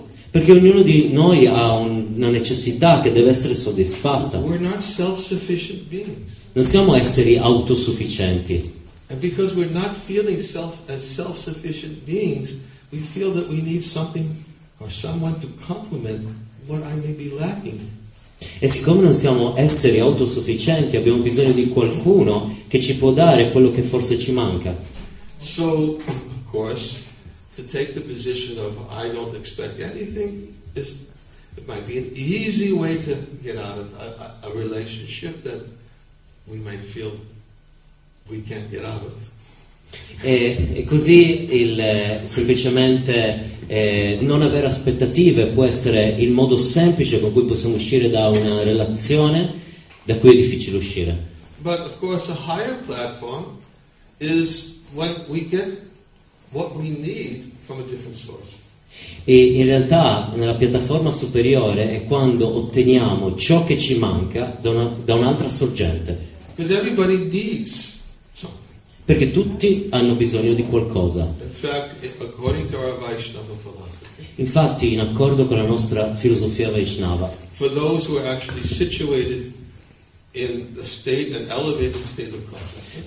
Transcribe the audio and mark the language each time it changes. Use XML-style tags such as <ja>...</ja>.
<it>Perché ognuno di noi ha una necessità che deve essere soddisfatta.</it> <en>We're not self-sufficient beings.</en> <it>Non siamo esseri autosufficienti.</it> <en>And because we're not feeling self as self-sufficient beings, we feel that we need something or someone to complement what I may be lacking.</en> <it>E siccome non siamo esseri autosufficienti, abbiamo bisogno di qualcuno che ci può dare quello che forse ci manca.</it> <en>So, of course, to take the position of I don't expect anything is, it might be an easy way to get out of a relationship that we might feel we can't get out of.</en> <it>E così il semplicemente non avere aspettative può essere il modo semplice con cui possiamo uscire da una relazione da cui è difficile uscire.</it> <en>But of course, a higher platform is when we get what we need from a different source.</en> <it>E in realtà nella piattaforma superiore è quando otteniamo ciò che ci manca da un'altra sorgente.</it> <en>Because everybody needs something.</en> <it>Perché tutti hanno bisogno di qualcosa.</it> <en>In fact, according to our Vaishnava philosophy.</en> <it>Infatti, in accordo con la nostra filosofia Vaishnava.</it> <en>For those who are actually situated in the state, an elevated state of consciousness.</en>